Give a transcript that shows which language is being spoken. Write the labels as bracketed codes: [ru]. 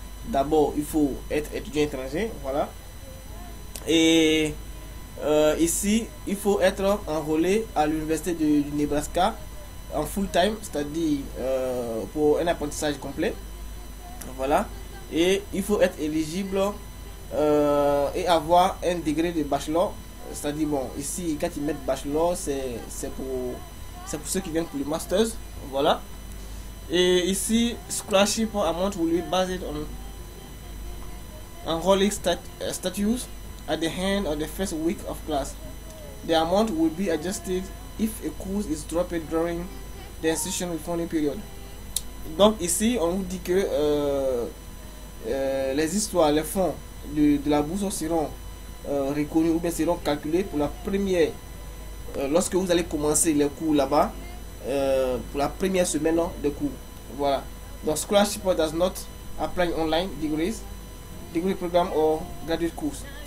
[fr] D'abord, il faut être étudiant étranger, voilà. Et ici, il faut être enrôlé à l'université du Nebraska en [en] full time, [fr] c'est-à-dire pour un apprentissage complet, voilà. Et il faut être éligible et avoir un degré de bachelor. C'est-à-dire, bon, ici, quand ils mettent bachelor, c'est pour ceux qui viennent pour le master. Voilà. Et ici, [en] scholarship amount will be based on enrolling status at the end of the first week of class. The amount will be adjusted if a course is dropped during the institution refunding period. [fr] Donc ici, on vous dit que les histoires, les fonds de la bourse seront reconnus ou bien seront calculés pour la première, lorsque vous allez commencer les cours là-bas. Pour la première semaine de cours, voilà. Donc, [en] scholarship does not apply online degrees, degree program or graduate course.